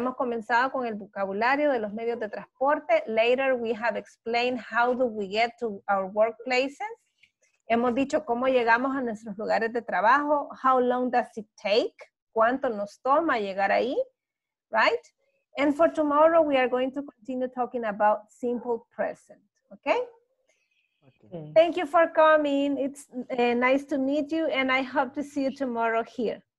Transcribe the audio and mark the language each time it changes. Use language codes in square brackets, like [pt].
[es] Hemos comenzado con el vocabulario de los medios de transporte. [en] Later we have explained how do we get to our workplaces. [es] Hemos dicho cómo llegamos a nuestros lugares de trabajo. [en] How long does it take? [es] ¿Cuánto nos toma llegar ahí? [en] Right? And for tomorrow we are going to continue talking about simple present. Okay? Okay. Thank you for coming. It's nice to meet you and I hope to see you tomorrow here.